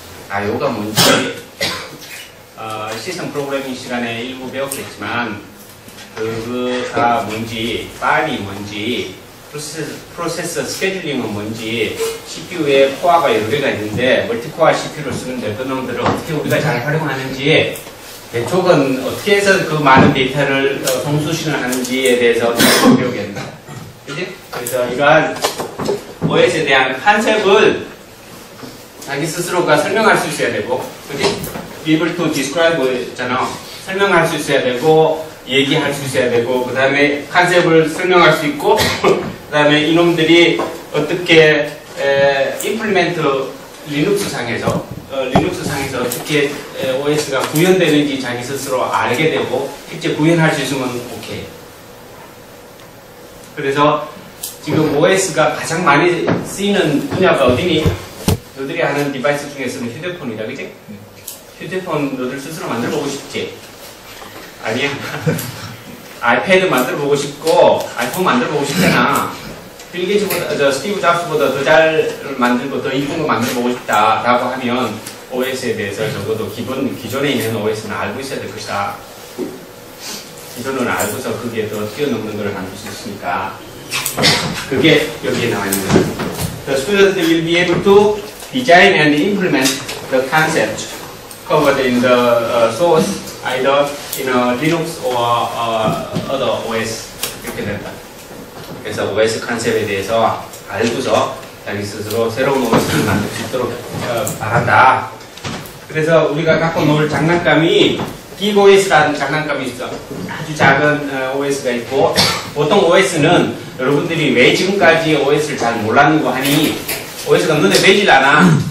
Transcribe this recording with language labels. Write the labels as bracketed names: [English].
[Korean] I/O가 뭔지 시스템 프로그래밍 시간에 일부 배웠겠지만 그거가 뭔지, 파일이 뭔지, 프로세서 스케줄링은 뭔지, CPU에 코어가 여러 개가 있는데 멀티코어 CPU를 쓰는데 그 놈들을 어떻게 우리가 잘 활용하는지, 대쪽은 어떻게 해서 그 많은 데이터를 통수신을 하는지에 대해서 배우겠다. 그치? 그래서 이러한 OS에 대한 컨셉을 자기 스스로가 설명할 수 있어야 되고, 그치? [English] Be able to describe [Korean] 있잖아. 설명할 수 있어야 되고, 얘기할 수 있어야 되고, 그 다음에 컨셉을 설명할 수 있고, 그 다음에 이놈들이 어떻게 implement 리눅스상에서 리눅스상에서 어떻게 OS가 구현되는지 자기 스스로 알게 되고 실제 구현할 수 있으면 오케이. 그래서 지금 OS가 가장 많이 쓰이는 분야가 어디니? 너들이 하는 디바이스 중에서는 휴대폰이다, 그치? 휴대폰 너들 스스로 만들어보고 싶지? 아니야. 아이패드 만들어보고 싶고 아이폰 만들어보고 싶잖아. 스티브 잡스보다 더 잘 만들고 더 이쁜 거 만들어보고 싶다 라고 하면 OS에 대해서 적어도 기존에 있는 OS는 알고 있어야 될 것이다. 기존을 알고서 그게 더 뛰어넘는 걸 만들 수 있으니까 그게 여기에 나와 있는 거야. [English] The student will be able to design and implement the concept covered in the source either in a Linux or other OS [Korean] 이렇게 된다. 그래서 OS 컨셉에 대해서 알고서 자기 스스로 새로운 OS를 만들 수 있도록 바란다. 그래서 우리가 갖고 놀 장난감이 Geek OS라는 장난감이 있어. 아주 작은 OS가 있고 보통 OS는 여러분들이 왜 지금까지 OS를 잘 몰랐는고 하니 OS가 눈에 뵈질 않아.